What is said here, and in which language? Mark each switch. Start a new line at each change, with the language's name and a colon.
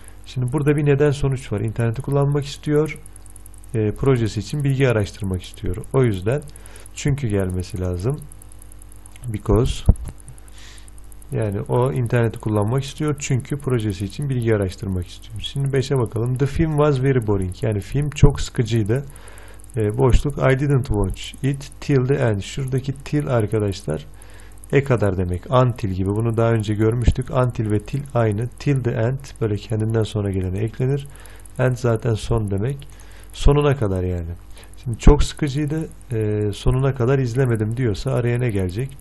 Turkish: Şimdi burada bir neden sonuç var. İnterneti kullanmak istiyor, projesi için bilgi araştırmak istiyor. O yüzden çünkü gelmesi lazım. Because, yani o interneti kullanmak istiyor çünkü projesi için bilgi araştırmak istiyor. Şimdi 5'e bakalım.
English: The film was very boring,
Turkish: yani film çok sıkıcıydı.
English: Boşluk, I didn't watch it till the end.
Turkish: Şuradaki till arkadaşlar e kadar demek. Until gibi. Bunu daha önce görmüştük. Until ve till aynı. Till the end böyle kendinden sonra gelene eklenir. End zaten son demek. Sonuna kadar yani. Şimdi çok sıkıcıydı, sonuna kadar izlemedim diyorsa araya ne gelecek?